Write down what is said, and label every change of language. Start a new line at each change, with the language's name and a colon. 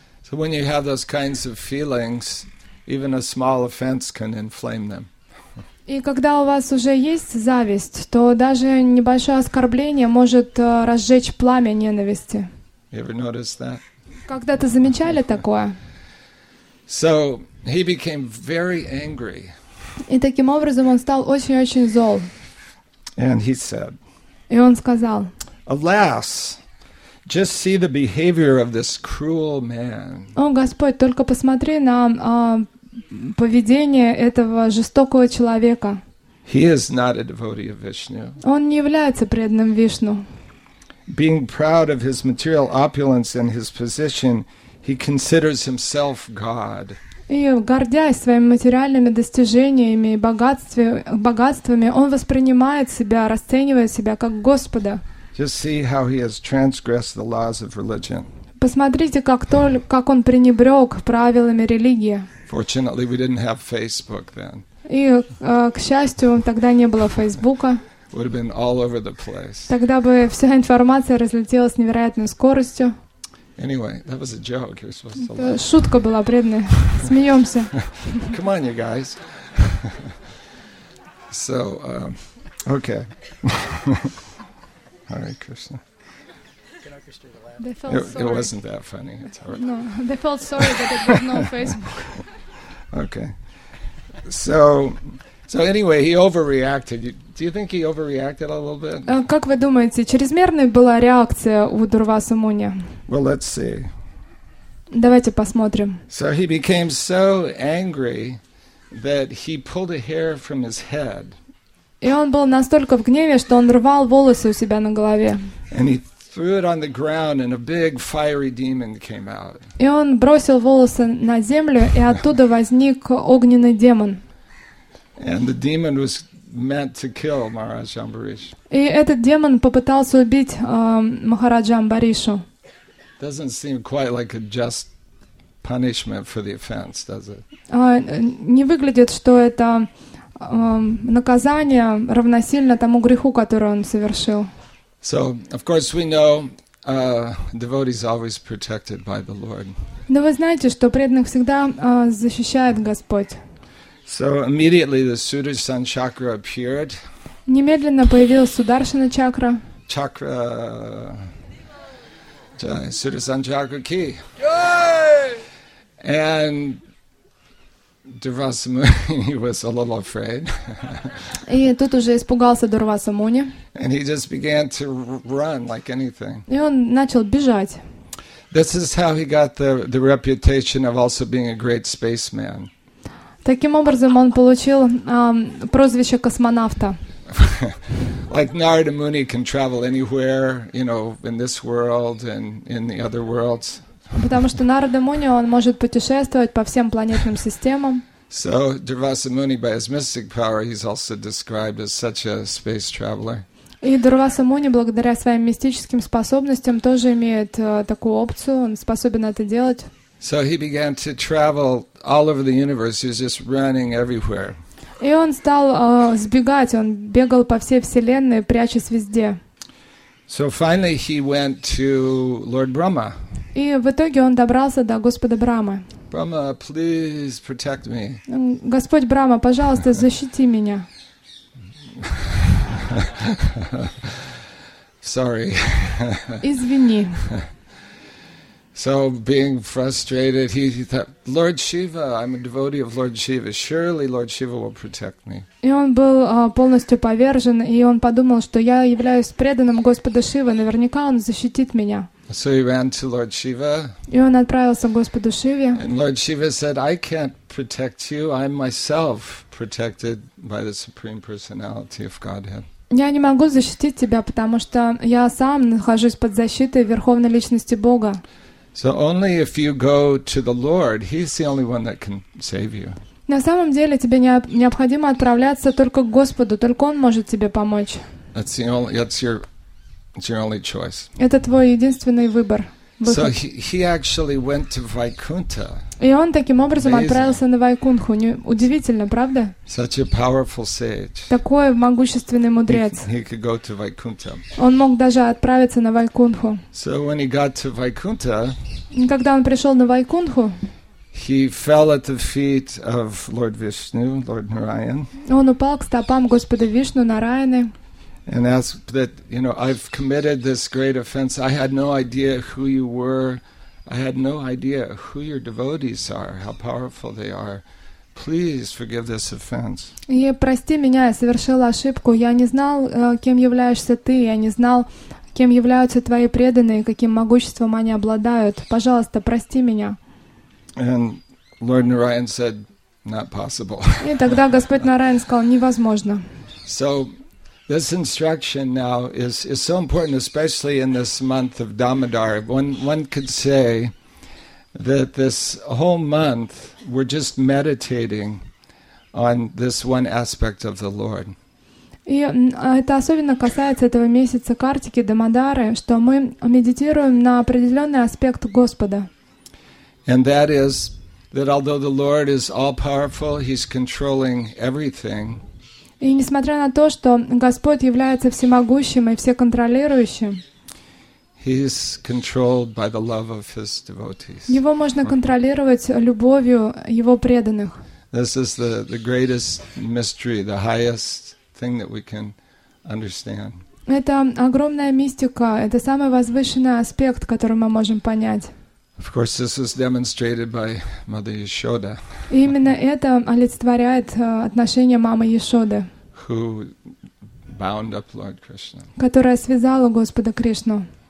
English: So when you have those kinds of feelings, even a small offense can inflame them.
Russian: И когда у вас уже есть зависть, то даже небольшое оскорбление может разжечь пламя ненависти.
English: You ever noticed that?
Russian: Когда-то замечали такое?
English: So he became very angry.
Russian: И таким образом он стал очень-очень зол.
English: And he said.
Russian: И он сказал.
English: Alas, just see the behavior of this cruel man.
Russian: О, Господь, только посмотри на поведение этого жестокого человека.
English: He is not a devotee of Vishnu.
Russian: Он не является преданным Вишну.
English: Being proud of his material opulence and his position, he considers himself God.
Russian: И гордясь своими материальными достижениями и богатствами, он воспринимает себя, расценивает себя как Господа.
English: Just see how he has transgressed the laws of religion.
Russian: посмотрите, как он пренебрег правилами религии.
English: Fortunately, we didn't have Facebook then.
Russian: И, к счастью, тогда не было Фейсбука.
English: Would have been all over the place.
Russian: Тогда бы вся информация разлетелась с невероятной скоростью.
English: Anyway, that was a joke. You're supposed to laugh.
Russian: Шутка была бредная. Смеемся.
English: Come on, you guys. So, okay. Hare Krishna. It wasn't that funny. It's all right. No, they felt sorry that there was no Facebook. Okay. So anyway, he overreacted. Do you think he overreacted a little bit?
Russian: Как вы думаете, чрезмерной была реакция у Дурвасы Муни?
English: Well, let's see.
Russian: Давайте посмотрим.
English: So he became so angry that he pulled a hair from his head.
Russian: И он был настолько в гневе, что он рвал волосы у себя на голове.
English: And he threw it on the ground, and a big fiery demon came out.
Russian: И он бросил волосы на землю, и оттуда возник огненный демон.
English: And the demon was meant to kill Maharaj Ambarish.
Russian: И этот демон попытался убить Махараджа Амбаришу.
English: Doesn't seem quite like a just punishment for the offense, does it?
Russian: Не выглядит, что это наказание равносильно тому греху, который он совершил.
English: So, of course, we know devotees always protected by the Lord.
Russian: Но вы знаете, что преданных всегда защищает Господь.
English: So immediately the Sudarshan chakra appeared.
Russian: Немедленно появилась Сударшина чакра.
English: Chakra. Sudarshan chakra key. Yay! And Дурваса Муни was a little afraid.
Russian: И тут уже испугался Дурваса Муни.
English: And he just began to run like anything.
Russian: И он начал бежать.
English: This is how he got the reputation of also being a great spaceman.
Russian: Таким образом он получил прозвище космонавта.
English: Like Narada Muni can travel anywhere, you know, in this world and in the other worlds.
Russian: Потому что Нарада Муни, он может путешествовать по всем планетным системам.
English: So Дурваса Муни by his mystic power, he's also described as such a space traveler.
Russian: И Дурваса Муни благодаря своим мистическим способностям тоже имеет такую опцию, он способен это делать.
English: So he began to travel all over the universe. He was just running everywhere.
Russian: И он стал сбегать. Он бегал по всей вселенной, прячась везде.
English: So finally he went to Lord Brahma.
Russian: И в итоге он добрался до Господа Брамы.
English: Brahma, please protect me.
Russian: Господь Брама, пожалуйста, защити меня.
English: Sorry.
Russian: Извини.
English: So being frustrated, he thought, Lord Shiva, I'm a devotee of Lord Shiva. Surely Lord Shiva will protect me.
Russian: И он был полностью повержен, и он подумал, что я являюсь преданным Господа Шивы, наверняка он защитит меня.
English: So he ran to Lord Shiva.
Russian: И он отправился к Господу Шиве.
English: And Lord Shiva said, I can't protect you. I'm myself protected by the Supreme Personality of Godhead.
Russian: Я не могу защитить тебя, потому что я сам нахожусь под защитой Верховной Личности Бога.
English: So only if you go to the Lord, He's the only one that can save you.
Russian: На самом деле тебе необходимо отправляться только к Господу, только Он может тебе помочь.
English: That's your only choice.
Russian: Это твой единственный выбор.
English: So he actually went to Vaikuntha.
Russian: И он таким образом
English: Amazing.
Russian: Отправился на Вайкунху. Удивительно, правда?
English: Such a powerful sage.
Russian: Такой могущественный мудрец.
English: He could go to Vaikuntha.
Russian: Он мог даже отправиться на Вайкунху.
English: So when he got to Vaikuntha,
Russian: когда он пришел на Вайкунху,
English: he fell at the feet of Lord Vishnu, Lord Narayan.
Russian: Он упал к стопам Господа Вишну, Нараяны.
English: And asked that, you know, I've committed this great offense. I had no idea who you were. I had no idea who your devotees are, how powerful they are. Please forgive this offense.
Russian: И прости меня, я совершил ошибку. Я не знал, кем являешься ты. Я не знал, кем являются твои преданные, каким могуществом они обладают. Пожалуйста, прости меня.
English: And Lord Narayan said, not possible.
Russian: И тогда Господь Нараян сказал, невозможно.
English: So, this instruction now is so important, especially in this month of Damodar. One could say that this whole month we're just meditating on this one aspect of the Lord.
Russian: И это особенно касается этого месяца Картики, Дамодары, что мы медитируем на определенный аспект Господа.
English: And that is that although the Lord is all-powerful, He's controlling everything.
Russian: И несмотря на то, что Господь является всемогущим и всеконтролирующим,
English: He's controlled by the love of His devotees.
Russian: Его можно контролировать любовью Его преданных.
English: This is the greatest mystery, the highest thing that we can understand.
Russian: Это огромная мистика, это самый возвышенный аспект, который мы можем понять.
English: Of course, this is demonstrated by Mother Yashoda.
Russian: Именно это олицетворяет отношение мамы Яшоды, who bound up Lord Krishna. Которая связала Господа Кришну.